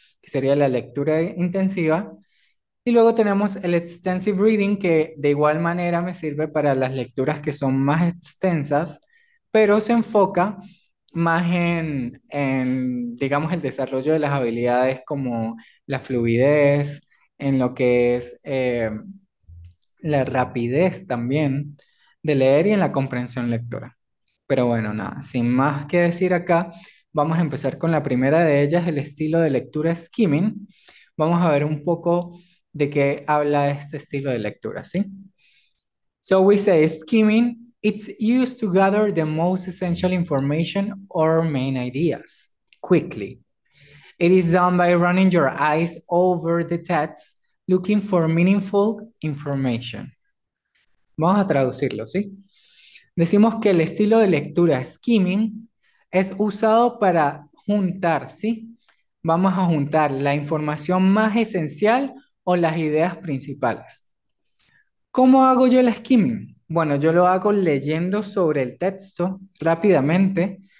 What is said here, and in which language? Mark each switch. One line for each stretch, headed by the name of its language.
Spanish: Que sería la lectura intensiva. Y luego tenemos el extensive reading, que de igual manera me sirve para las lecturas que son más extensas, pero se enfoca más en digamos, el desarrollo de las habilidades como la fluidez, en lo que es la rapidez también de leer y en la comprensión lectora. Pero bueno, nada, sin más que decir acá, vamos a empezar con la primera de ellas, el estilo de lectura skimming. Vamos a ver un poco de qué habla este estilo de lectura, ¿sí?
English: So we say skimming, it's used to gather the most essential information or main ideas quickly. It is done by running your eyes over the text, looking for meaningful information.
Spanish: Vamos a traducirlo, ¿sí? Decimos que el estilo de lectura skimming es usado para juntar, ¿sí? Vamos a juntar la información más esencial o las ideas principales. ¿Cómo hago yo el skimming? Bueno, yo lo hago leyendo sobre el texto rápidamente.